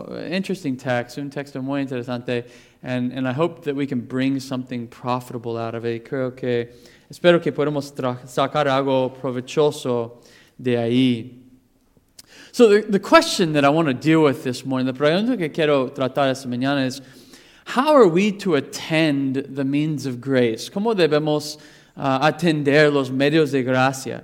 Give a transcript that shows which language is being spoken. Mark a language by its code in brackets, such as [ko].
[en] Interesting text, [es] un texto muy interesante, [en] and I hope that we can bring something profitable out of it. [es] Creo que, espero que podemos sacar algo provechoso de ahí. [en] So the question that I want to deal with this morning, the [es] pregunta que quiero tratar esta mañana [en] is, how are we to attend the means of grace? [es] ¿Cómo debemos atender los medios de gracia?